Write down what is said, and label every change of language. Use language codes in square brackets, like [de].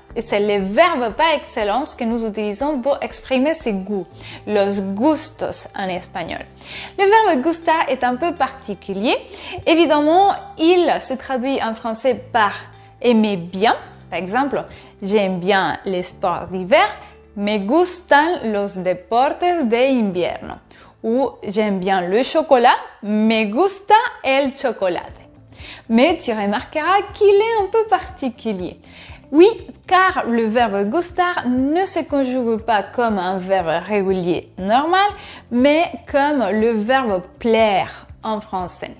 [fr] Et c'est le verbe par excellence que nous utilisons pour exprimer ses goûts. [es] Los gustos [fr] en espagnol. Le verbe gustar est un peu particulier. Évidemment, il se traduit en français par aimer bien. Par exemple, j'aime bien les sports d'hiver. [es] Me gustan los deportes de invierno. [fr] Ou j'aime bien le chocolat. [es] Me gusta el chocolate. [fr] Mais tu remarqueras qu'il est un peu particulier. Oui, car le verbe gustar ne se conjugue pas comme un verbe régulier normal, mais comme le verbe plaire en français.